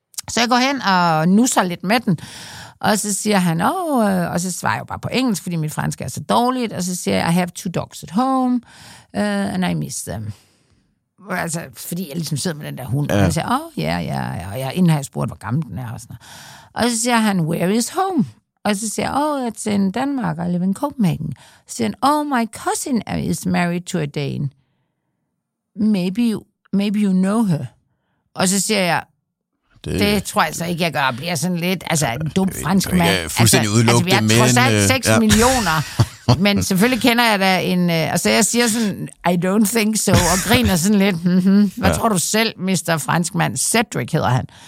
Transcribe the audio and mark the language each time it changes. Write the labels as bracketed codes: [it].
[da] Så jeg går hen og nusser lidt med den, og så siger han, og så svarer jeg bare på engelsk, fordi mit fransk er så dårligt, og så siger jeg, [en] I have 2 dogs at home, and I miss them. [da] Altså, fordi jeg ligesom sidder med den der hund, og jeg siger, ja, inden har jeg spurgt, hvor gammel den er, og sådan. Og så siger han, [en] where is home? [da] Og så siger jeg, [en] it's in Danmark, I live in Copenhagen. [da] Så siger han, [en] my cousin is married to a Dane. Maybe you know her. [da] Og så siger jeg, det tror jeg så ikke, jeg gør, og bliver sådan lidt, altså en dum fransk mand. Ja, fuldstændig udelukket, altså, men... Altså, vi har trods alt 6 millioner, men selvfølgelig kender jeg da en... Altså, jeg siger sådan, [en] I don't think so, [da] og griner sådan lidt, hvad tror du selv, Mr. Franskmand? Cedric hedder han.